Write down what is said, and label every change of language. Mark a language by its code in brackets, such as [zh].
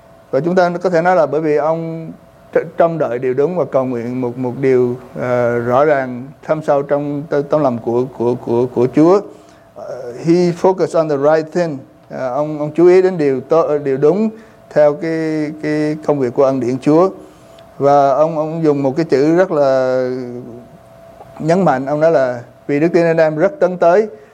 [vi] Và chúng ta có thể nói là bởi vì ông trông đợi điều đúng và cầu nguyện một điều rõ ràng thâm sâu trong tấm lòng của Chúa. [en] He focused on the right thing. [vi] Ông chú ý đến điều đúng theo cái công việc của ân điển Chúa. Và ông dùng một cái chữ rất là nhấn mạnh, ông nói là vì đức tin anh em rất tấn tới.